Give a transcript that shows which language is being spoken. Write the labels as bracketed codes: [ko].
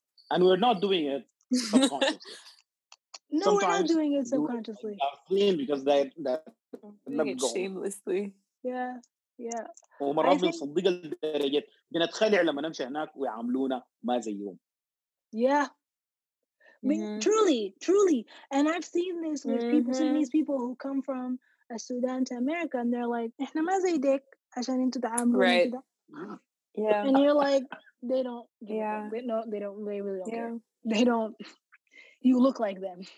[en] And we're not doing it subconsciously. No, sometimes we're not doing it subconsciously. Because that shamelessly. Yeah. Yeah. [ar] ومرات بنصدق الدرجة بنتخلع لما نمشي هناك ويعاملونا ما زيهم. [en] Yeah. Mm-hmm. Truly, and I've seen this with mm-hmm. people, seen these people who come from Sudan to America, and they're like, [ar] "إحنا ما زي ديك. عشان انتوا تعاملوا كده. [en] Right. Yeah. And you're like, they don't. Yeah. No, they don't. They really don't. Yeah. Care. They don't. You look like them.